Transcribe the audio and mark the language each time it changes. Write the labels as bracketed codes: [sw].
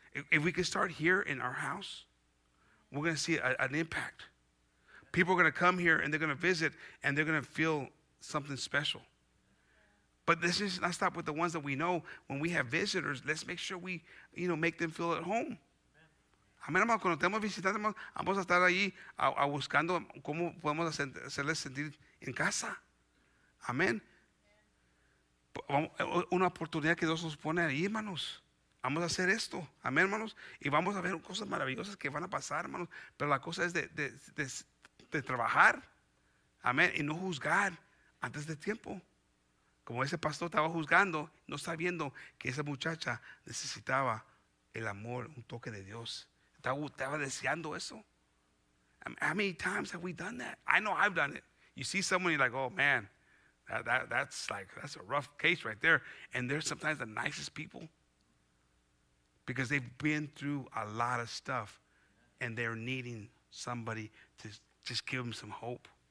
[en] If we can start here in our house, we're going to see an impact. People are going to come here and they're going to visit and they're going to feel something special. But this is not stop with the ones that we know. When we have visitors, let's make sure we, you know, make them feel at home. [es] Amén, hermano. Cuando tenemos visitantes, vamos a estar ahí buscando cómo podemos hacerles sentir en casa. Amén. Una oportunidad que Dios nos pone ahí, hermanos. Vamos a hacer esto. Amén, hermanos. Y vamos a ver cosas maravillosas que van a pasar, hermanos. Pero la cosa es de trabajar. Amén. Y no juzgar antes de tiempo. Como ese pastor estaba juzgando, no sabiendo que esa muchacha necesitaba el amor, un toque de Dios. Estaba deseando eso. [en] How many times have we done that? I know I've done it. You see someone, you're like, oh, man. That's a rough case right there. And they're sometimes the nicest people because they've been through a lot of stuff and they're needing somebody to just give them some hope.